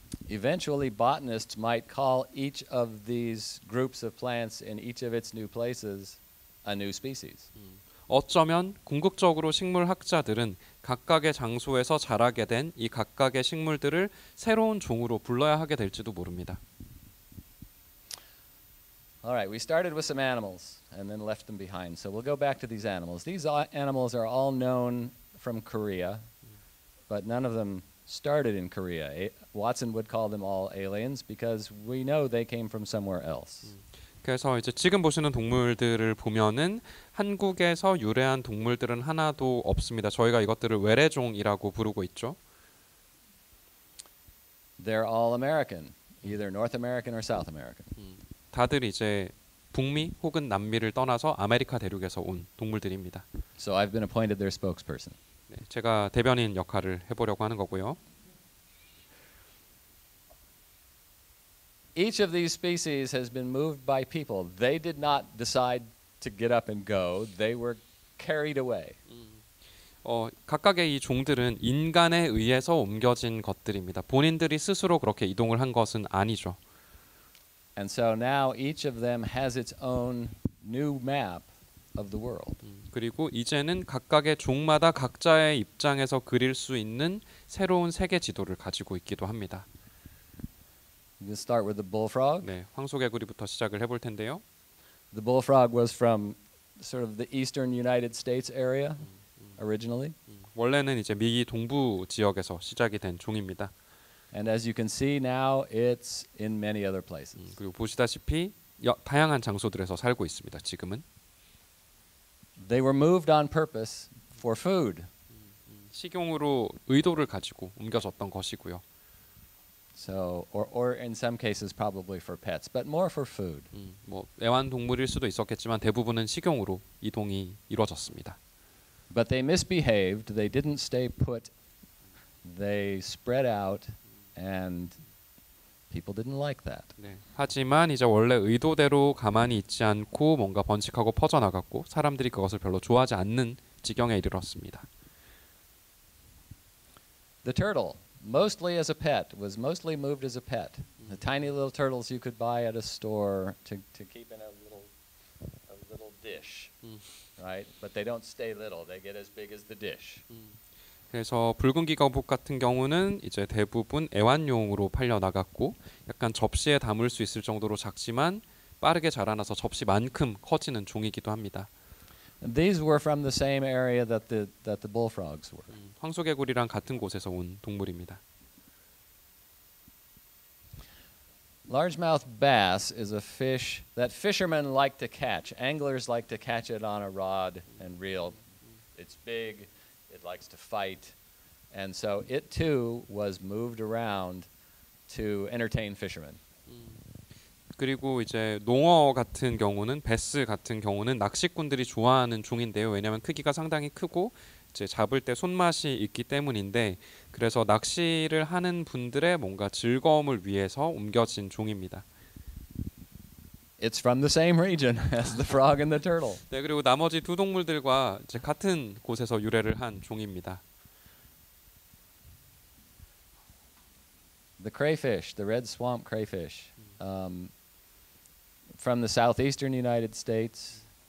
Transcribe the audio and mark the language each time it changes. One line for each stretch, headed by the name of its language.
English: Eventually, botanists might call each of these groups of plants in each of its new places a new species.
Korean: 어쩌면 궁극적으로 식물학자들은 각각의 장소에서 자라게 된 이 각각의 식물들을 새로운 종으로 불러야 하게 될지도 모릅니다.
English: All right, we started with some animals and then left them behind. So we'll go back to these animals. These animals are all known from Korea, but none of them started in Korea. Watson would call them all aliens because we know they came from somewhere else.
Korean: 그래서 이제 지금 보시는 동물들을 보면은 한국에서 유래한 동물들은 하나도 없습니다. 저희가 이것들을 외래종이라고 부르고 있죠.
English: They're all American, either North American or South American.
Korean: 다들 이제 북미 혹은 남미를 떠나서 아메리카 대륙에서 온 동물들입니다.
English: So I've been appointed their spokesperson.
Korean: 네, 제가 대변인 역할을 해보려고 하는 거고요.
English: Each of these species has been moved by people. They did not decide to get up and go. They were carried away.
Korean: 각각의 이 종들은 인간에 의해서 옮겨진 것들입니다. 본인들이 스스로 그렇게 이동을 한 것은 아니죠.
English: And so now each of them has its own new map of the world.
Korean: 그리고 이제는 각각의 종마다 각자의 입장에서 그릴 수 있는 새로운 세계 지도를 가지고 있기도 합니다.
English: We start with the bullfrog.
Korean: 네, 황소개구리부터 시작을 해볼 텐데요.
English: The bullfrog was from sort of the eastern United States area originally.
Korean: 원래는 이제 미 동부 지역에서 시작이 된 종입니다.
English: And as you can see now, it's in many other places.
Korean: 그리고 보시다시피 다양한 장소들에서 살고 있습니다. 지금은.
English: They were moved on purpose for food.
Korean: 식용으로 의도를 가지고 옮겨졌던 것이고요.
English: So, or in some cases, probably for pets, but more for food.
Korean: 뭐 애완 동물일 수도 있었겠지만 대부분은 식용으로 이동이 이루어졌습니다.
English: But they misbehaved. They didn't stay put. They spread out, and people didn't like that. 네.
Korean: 하지만 이제 원래 의도대로 가만히 있지 않고 뭔가 번식하고 퍼져 나갔고 사람들이 그것을 별로 좋아하지 않는 지경에 이르렀습니다.
English: The turtle. Mostly as a pet, was mostly moved as a pet. The tiny little turtles you could buy at a store to keep in a little dish, right? But they don't stay little. They get as big as the dish.
Korean: 그래서 붉은 기거북 같은 경우는 이제 대부분 애완용으로 팔려 나갔고 약간 접시에 담을 수 있을 정도로 작지만 빠르게 자라나서 접시만큼 커지는 종이기도 합니다.
English: These were from the same area that the bullfrogs were.
Korean: 황소개구리랑 같은 곳에서 온 동물입니다.
English: Largemouth bass is a fish that fishermen like to catch. Anglers like to catch it on a rod and reel. It's big. It likes to fight. And so it too was moved around to entertain fishermen.
Korean: 그리고 이제 농어 같은 경우는 배스 같은 경우는 낚시꾼들이 좋아하는 종인데요. 왜냐하면 크기가 상당히 크고 이제 잡을 때 손맛이 있기 때문인데 그래서 낚시를 하는 분들의 뭔가 즐거움을 위해서 옮겨진 종입니다.
English: It's from the same region as the frog and the turtle.
Korean: 네, 그리고 나머지 두 동물들과 이제 같은 곳에서 유래를 한 종입니다.
English: The crayfish, the red swamp crayfish. From the southeastern United States.